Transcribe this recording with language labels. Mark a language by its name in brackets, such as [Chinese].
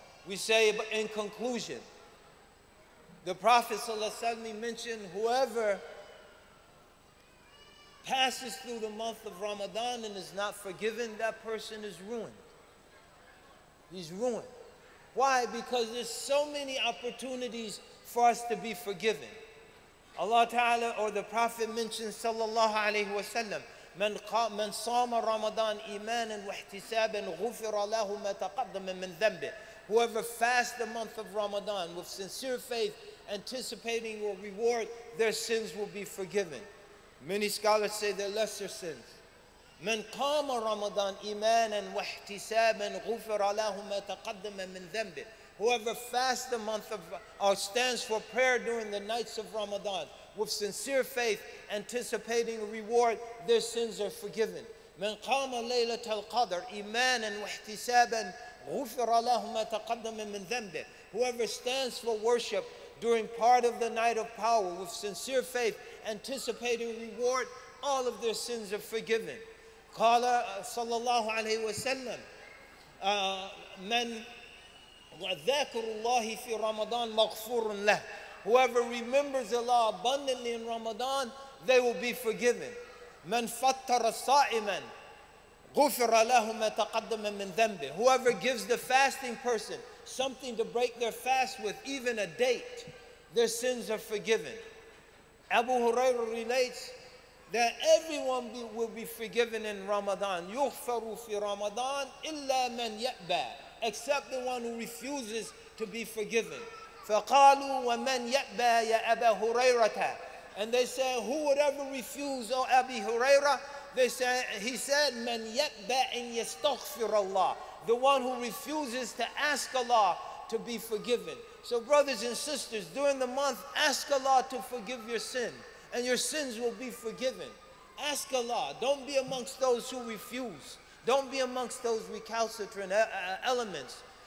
[English] We say in conclusion, the Prophet ﷺ mentioned whoever passes through the month of Ramadan and is not forgiven, that person is ruined. He's ruined. Why? Because there's so many opportunities for us to be forgiven. Allah Ta'ala or the Prophet mentioned sallallahu alayhi wa sallam, [Arabic] من صام رمضان إيمانا واحتسابا غفر له ما تقدم من ذنبه. [English] Whoever fasts the month of Ramadan with sincere faith, anticipating your reward, their sins will be forgiven. Many scholars say they're lesser sins. [Arabic] من قام رمضان إيمانا واحتسابا غفر له ما تقدم من ذنبه. [English] Whoever fasts the month of or stands for prayer during the nights of Ramadan with sincere faith, anticipating a reward, their sins are forgiven. [Arabic] من قام ليلة القدر إيمانا واحتسابا غفر له ما تقدم من ذنبه. [English] Whoever stands for worship during part of the night of power with sincere faith, anticipating a reward, all of their sins are forgiven. [Arabic] قال صلى الله عليه وسلم من وذكر الله في رمضان مغفور له. [English] Whoever remembers Allah abundantly in Ramadan, they will be forgiven. [Arabic] من فطر صائما غفر له ما تقدم من ذنبه. [English] Whoever gives the fasting person something to break their fast with, even a date, their sins are forgiven. Abu Hurairah relates that everyone will be forgiven in Ramadan. [Arabic] يغفر في رمضان إلا من يأبى. [English] Except the one who refuses to be forgiven. [Arabic] فَقَالُوا وَمَنْ يَأْبَى يَا أَبَى هُرَيْرَةَ. [English] And they said, who would ever refuse, O Abi Huraira? They said, he said, [Arabic] مَنْ يَأْبَى أَنْ يَسْتَغْفِرَ اللَّهِ. [English] The one who refuses to ask Allah to be forgiven. So brothers and sisters, during the month, ask Allah to forgive your sin, and your sins will be forgiven. Ask Allah. Don't be amongst those who refuse. Don't be amongst those recalcitrant elements.